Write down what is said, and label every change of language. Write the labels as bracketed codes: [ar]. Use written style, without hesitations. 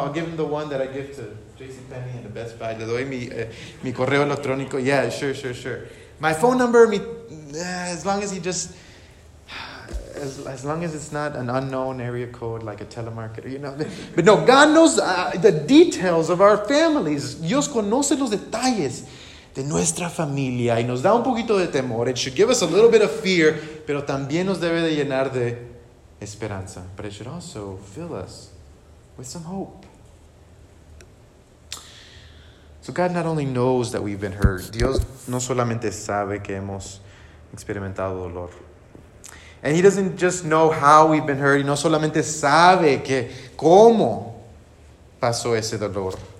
[en] I'll give him the one that I give to JCPenney and the Best Buy. [es] Le doy mi correo electrónico. Yeah, sure. [en] My phone number, as long as it's not an unknown area code like a telemarketer, you know. But no, God knows the details of our families. [es] Dios conoce los detalles de nuestra familia y nos da un poquito de temor. [en] It should give us a little bit of fear, [es] pero también nos debe de llenar de esperanza, [en] but it should also fill us with some hope. So God not only knows that we've been hurt. [es] Dios no solamente sabe que hemos experimentado dolor. [en] And he doesn't just know how we've been hurt. [es] Y no solamente sabe que cómo pasó ese dolor.